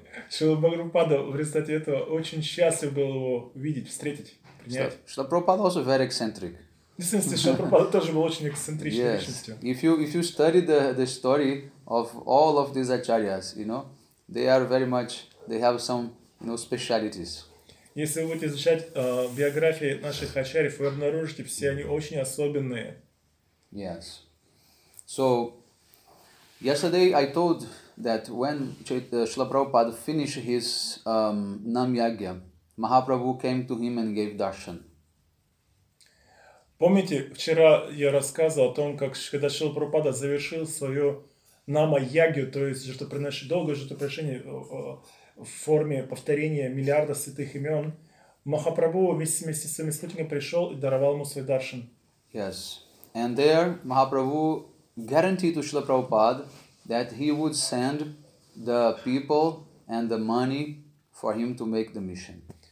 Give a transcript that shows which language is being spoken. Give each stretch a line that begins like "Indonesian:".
Russian: Srila Prabhupada, в результате этого, очень счастлив был его видеть, встретить, принять.
English: Srila Prabhupada also very eccentric.
Russian: Srila Prabhupada тоже был очень эксцентричной личностью.
English: If you study the story of all of these acharyas, you know, they are very much, they have some, you know, specialities.
Russian: Если вы будете изучать биографии наших ачарьев, вы обнаружите, все они очень особенные.
English: Yes. So, yesterday I told that when Srila Prabhupada finished his Namyagya, Mahaprabhu came to him and gave darshan.
Russian: Помните, вчера я рассказывал о том, как когда Шрила Прабхупада завершил свою Намаягью, то есть жертвоприношение, долгое жертвоприношение в форме повторения миллиарда святых имен, Махапрабху вместе со своими спутниками пришел и даровал ему свой даршан.
English: Yes. And there Mahaprabhu guaranteed to Srila Prabhupada that he would send the people and the money for him to make the mission.